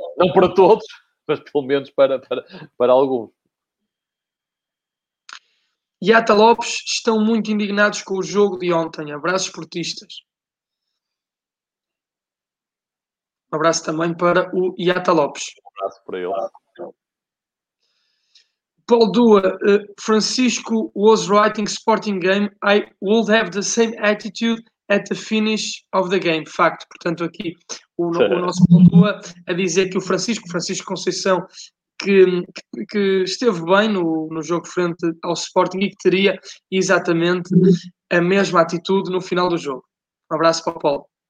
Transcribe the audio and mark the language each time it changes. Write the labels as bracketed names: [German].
[Portuguese] Não para todos, mas pelo menos para alguns. Yata Lopes, estão muito indignados com o jogo de ontem. Abraços portistas. Um abraço também para o Iata Lopes. Um abraço para ele. [English] Paulo Dua, Francisco was writing Sporting Game. I would have the same attitude at the finish of the game. [Portuguese] Facto. Portanto, aqui o nosso Paulo Dua a dizer que o Francisco Conceição, que esteve bem no jogo frente ao Sporting e que teria exatamente a mesma atitude no final do jogo. Um abraço para o Paulo.